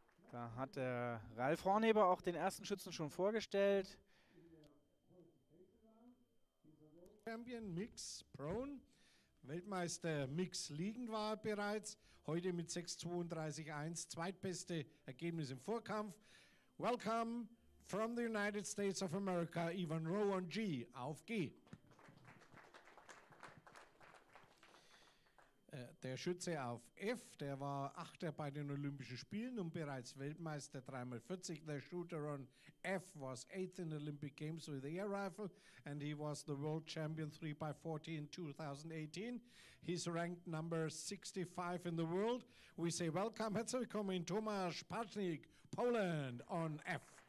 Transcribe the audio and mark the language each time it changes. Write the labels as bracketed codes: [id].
[de] Da hat der Ralf Hornheber auch den ersten Schützen schon vorgestellt. [en] Champion Mix Prone, [de] Weltmeister Mix liegend war bereits, heute mit 6:32:1, zweitbeste Ergebnis im Vorkampf. [en] Welcome from the United States of America, Ivan Rowan G. [de] Auf G. Der Schütze auf F, der war Achter bei den Olympischen Spielen und bereits Weltmeister 3x40. [en] The shooter on F was 8th in Olympic Games with the air rifle and he was the world champion 3x40 in 2018. He's ranked number 65 in the world. We say welcome, [de] herzlich willkommen, [en] Tomasz Pacznik, Poland on F.